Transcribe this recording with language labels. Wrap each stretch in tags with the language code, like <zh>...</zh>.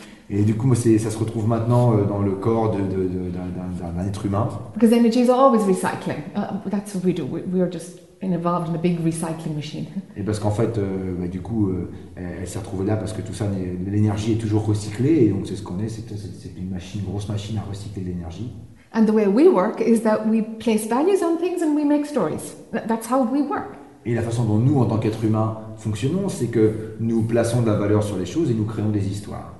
<fr>Et du coup, ça se retrouve maintenant dans le corps d'un être humain.</fr> <en>Because energy is always recycling. That's what we do. We are just and involved in a big recycling machine.</en> <fr>Et parce qu'en fait, bah, du coup, elle s'est retrouvée là parce que tout ça, l'énergie est toujours recyclée, et donc c'est ce qu'on est, c'est une machine, grosse machine à recycler l'énergie.</fr> <en>And the way we work is that we place values on things and we make stories. That's how we work.</en> <fr>Et la façon dont nous, en tant qu'êtres humains, fonctionnons, c'est que nous plaçons de la valeur sur les choses et nous créons des histoires.</fr>